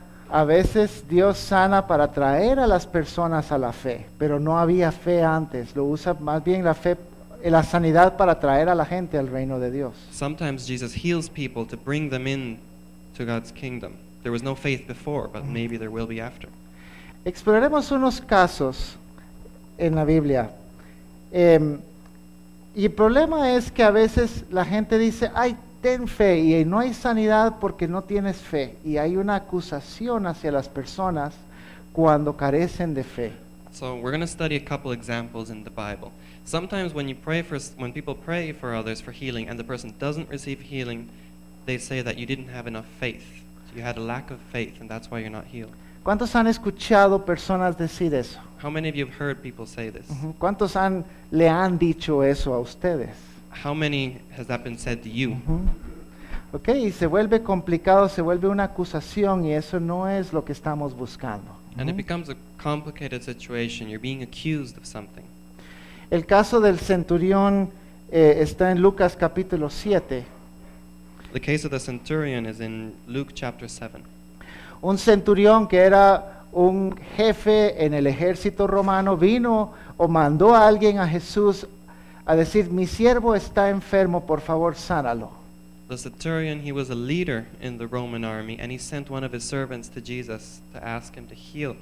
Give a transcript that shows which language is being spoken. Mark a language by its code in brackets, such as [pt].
[es] A veces Dios sana para traer a las personas a la fe, pero no había fe antes. Lo usa más bien la fe, la sanidad para traer a la gente al reino de Dios. [en] Sometimes Jesus heals people to bring them in to God's kingdom. There was no faith before, but maybe there will be after. [es] Exploraremos unos casos en la Biblia. Y el problema es que a veces la gente dice, ay, ten fe, y no hay sanidad porque no tienes fe. Y hay una acusación hacia las personas cuando carecen de fe. [en] So we're going to study a couple examples in the Bible. Sometimes when people pray for others for healing and the person doesn't receive healing, they say that you didn't have enough faith. So you had a lack of faith and that's why you're not healed. [es] ¿Cuántos han escuchado personas decir eso? [en] How many of you have heard people say this? Uh-huh. [es] ¿Cuántos han le han dicho eso a ustedes? [en] How many has that been said to you? Uh-huh. [es] Okay, y se vuelve complicado, se vuelve una acusación y eso no es lo que estamos buscando. [en] Uh-huh. And it becomes a complicated situation. You're being accused of something. [es] El caso del centurión está en Lucas capítulo 7. [en] The case of the centurion is in Luke chapter 7. [es] Un centurión que era un jefe en el ejército romano vino o mandó a alguien a Jesús a decir, mi siervo está enfermo, por favor, sánalo. [en] The centurion, he was a leader in the Roman army and he sent one of his servants to Jesus to ask him to heal.